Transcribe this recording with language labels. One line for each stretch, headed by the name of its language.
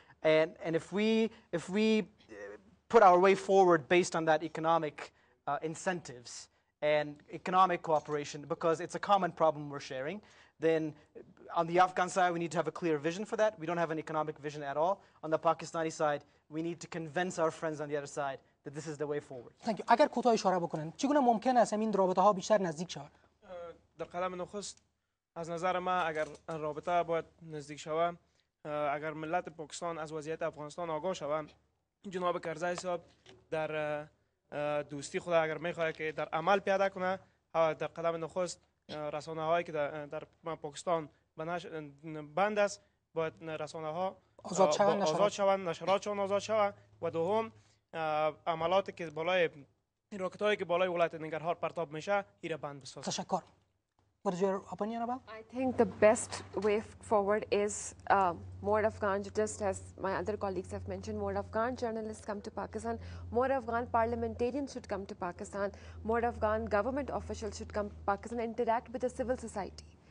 English: And if we put our way forward based on that economic incentives and economic cooperation, because it's a common problem we're sharing, then on the Afghan side, we need to have a clear vision for that. We don't have an economic vision at all. On the Pakistani side, we need to convince our friends on the other side that this is the way forward. Thank you.
Persian: اگر کوتاه اشاره بکنن، چگونه ممکن است این رابطه ها بیشتر نزدیک شود؟ در قدم نخست، از نظر ما اگر رابطه باید نزدیک شود، اگر ملت پاکستان از وضعیت افغانستان آگاه شود، جناب کرزای صاحب در دوستی خود اگر میخواهد که در عمل پیاده کنه، در قدم نخست، رسانه هایی که در پاکستان بند است باید رسانه ها آزاد شوند، نشراتشان آزاد شوند و دوم عملاتی که بالای راکت هایی که بالای ولایت ننگرهار پرتاب میشه ایره بند بسازند. تشکر.
English: What is your opinion about? I think the best way forward is more Afghan, just as my other colleagues have mentioned, more Afghan journalists come to Pakistan, more Afghan parliamentarians should come to Pakistan, more Afghan government officials should come to Pakistan and interact with the civil society.